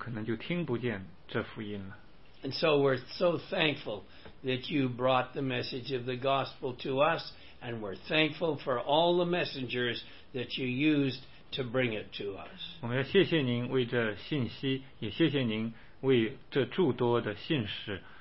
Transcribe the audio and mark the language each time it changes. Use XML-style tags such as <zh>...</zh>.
<zh>主啊，若不是保罗他们，若他们放弃了，我们可能就听不见这福音了。</zh> <en>And so we're so thankful that you brought the message of the gospel to us, and we're thankful for all the messengers that you used to bring it to us.</en> <zh>我们要谢谢您为这信息，也谢谢您为这诸多的信使。</zh>